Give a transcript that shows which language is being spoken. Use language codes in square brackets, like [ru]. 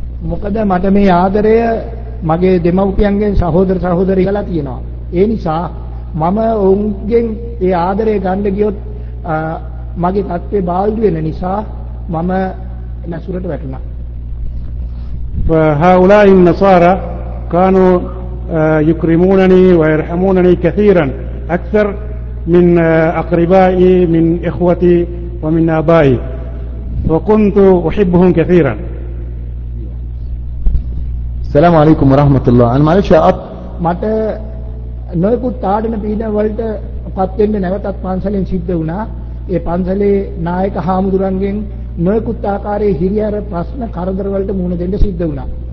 [si] මොකද මට මේ ආදරය මගේ දෙමව්පියන්ගේ සහෝදර සහෝදරියලා තියෙනවා. ඒ නිසා මම ඔවුන්ගෙන් ඒ ආදරය ගන්න ගියොත් මගේ தත්ත්වය බාල්දු වෙන නිසා මම නැසුරට වැටුණා. [ar] فهؤلاء النصارى كانوا يكرمونني ويرحمونني كثيرا اكثر من اقربائي من اخوتي ومن ابائي وكنت احبهم كثيرا. السلام عليكم ورحمه الله. انا معلش [si] මට නොයෙකුත් ආඩන පීඩන වලට පත් වෙන්න නැවතත් පන්සලෙන් සිද්ධ වුණා. ඒ පන්සලේ නායක හාමුදුරන්ගෙන් නොයෙකුත් ආකාරයේ හිරිහැර ප්‍රශ්න කරදර වලට මුහුණ දෙන්න සිද්ධ වුණා.